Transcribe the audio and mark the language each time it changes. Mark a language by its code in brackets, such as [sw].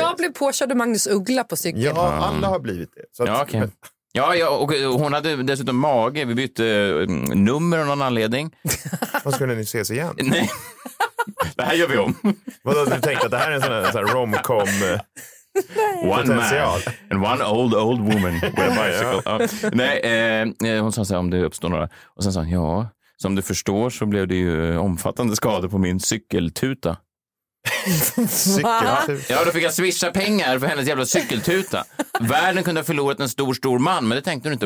[sv] Jag blev påkörd av Magnus Uggla på cykeln. Ja, alla har blivit det. Så att, ja, okej. Okay. Ja, ja, och hon hade dessutom mage. Vi bytte nummer av någon anledning. Vad skulle ni ses igen? Nej. Det här gör vi om. Vadå, du tänkte att det här är en sån här romcom? [en] One man and one old, old woman with a bicycle. [sv] Ja. Nej, hon sa så här, om det uppstår några. Och sen sa hon, ja, som du förstår så blev det ju omfattande skador på min cykeltuta. Ja, då fick jag swisha pengar för hennes jävla cykeltuta. Världen kunde ha förlorat en stor, stor man, men det tänkte hon inte